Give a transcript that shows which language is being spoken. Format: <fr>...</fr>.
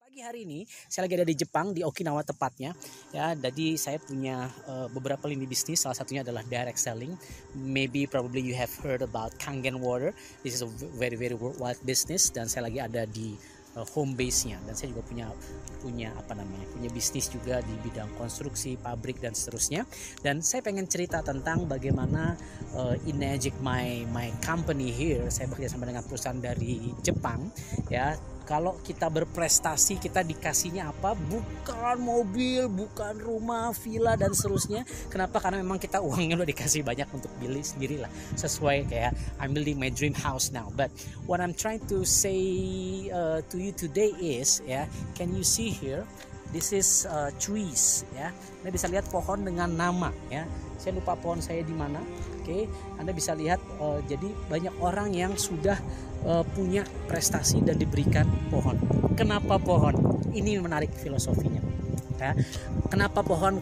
<id>Hari ini saya lagi ada di Jepang, di Okinawa tepatnya ya. Jadi saya punya beberapa lini bisnis, salah satunya adalah direct selling.</id> <en>Maybe probably you have heard about Kangen Water. This is a very very worldwide business,</en> <id>dan saya lagi ada di home base-nya. Dan saya juga punya bisnis juga di bidang konstruksi, pabrik dan seterusnya. Dan saya pengen cerita tentang bagaimana Inagic</id> <en>my company here.</en> <id>Saya bekerja sama dengan perusahaan dari Jepang ya. Kalau kita berprestasi, kita dikasihnya apa? Bukan mobil, bukan rumah, villa dan seterusnya. Kenapa? Karena memang kita uangnya udah dikasih banyak untuk beli sendirilah. Sesuai kayak</id> <en>I'm building my dream house now. But what I'm trying to say to you today is, yeah, can you see here? This is trees, yeah.</en> <id>Anda bisa lihat pohon dengan nama, ya. Yeah. Saya lupa pohon saya di mana. Oke, okay. Anda bisa lihat jadi banyak orang yang sudah punya prestasi dan diberikan pohon. Kenapa pohon? Ini menarik filosofinya. Ya. Kenapa pohon?</id>